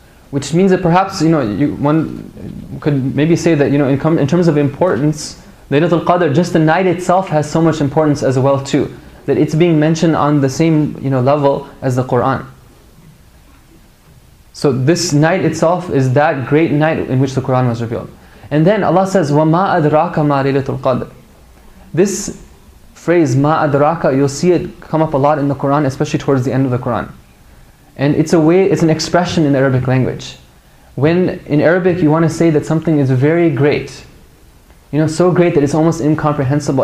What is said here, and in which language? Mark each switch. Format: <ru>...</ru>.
<en>Which means that perhaps, you know, one could maybe say that, you know, in terms of importance, Laylatul Qadr, just the night itself has so much importance as well too. That it's being mentioned on the same, you know, level as the Qur'an. So this night itself is that great night in which the Qur'an was revealed. And then Allah says,</en> <ar>وَمَا أَدْرَاكَ مَا لَيْلَةُ الْقَدْرِ.</ar> <en>This phrase,</en> <ar>مَا أَدْرَاكَ,</ar> <en>you'll see it come up a lot in the Qur'an, especially towards the end of the Qur'an. And it's a way, it's an expression in the Arabic language. When in Arabic you want to say that something is very great, you know, so great that it's almost incomprehensible.</en>